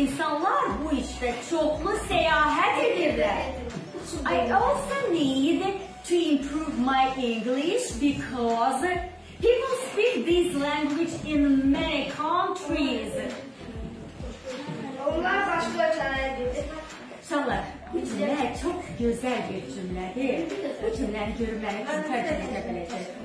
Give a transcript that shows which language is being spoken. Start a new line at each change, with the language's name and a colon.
Azerbaijani: insanlar bu işdə çoxlu səyahət edirlər.
English: I also need to improve my English because people speak this language in many countries.
Azerbaijani: Onlar başqa ölkələrə gedir. Şanlar, bu cümlə çox gözəl bir cümlədir. Bu cümləni görməyə üçün tərcümə edə biləcək.